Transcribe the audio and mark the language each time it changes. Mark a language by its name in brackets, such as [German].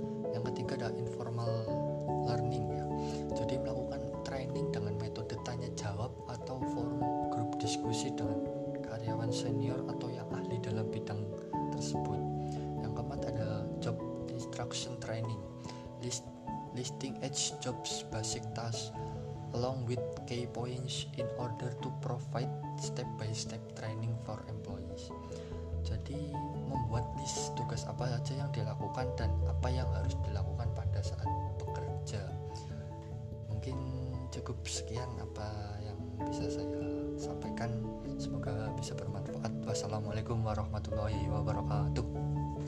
[Indonesian] Yang ketiga ada informal learning, ya. Jadi melakukan training dengan metode tanya jawab atau forum grup diskusi dengan karyawan senior atau yang ahli dalam bidang tersebut. Yang keempat ada job instruction training. [English] Listing each job's basic task along with key points in order to provide step-by-step training for employees. [Indonesian] Jadi membuat list tugas apa saja yang dilakukan dan apa yang harus dilakukan pada saat bekerja. Mungkin cukup sekian apa yang bisa saya sampaikan. Semoga bisa bermanfaat. Wassalamualaikum warahmatullahi wabarakatuh.